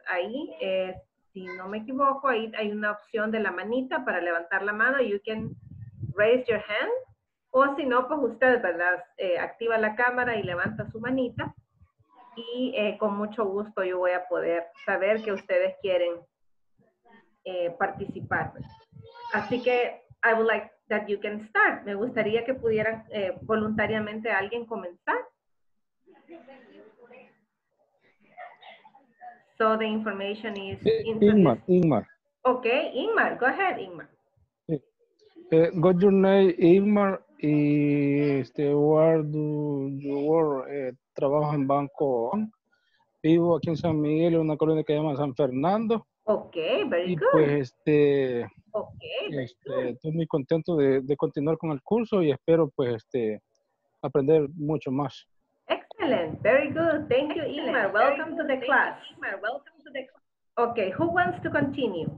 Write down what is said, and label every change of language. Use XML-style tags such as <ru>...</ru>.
<es>Ahí, si no me equivoco, ahí hay una opción de la manita para levantar la mano.</es> <en>You can raise your hand.</en> <es>O si no, pues usted, ¿verdad? Activa la cámara y levanta su manita. Y con mucho gusto yo voy a poder saber que ustedes quieren participar. Así que,</es> <en>I would like that you can start.</en> <es>Me gustaría que pudiera voluntariamente alguien comenzar.</es> <en>So the information is Ingmar. Ingmar. Okay, Ingmar, go ahead, Ingmar. Got your name, Ingmar. Y este, where do you work?</en> <es>Trabajo en banco. Vivo aquí en San Miguel, en una colonia que se llama San Fernando.</es> <en>Okay, very y good.</en> <es>Y pues este.</es> <en>Okay. Este, very good.</en> <es>Estoy muy contento de continuar con el curso y espero pues este aprender mucho más.</es> <en>Excellent, very good. Thank you, Ingmar. Welcome to the class. Ingmar, welcome to the class. Okay, who wants to continue?</en>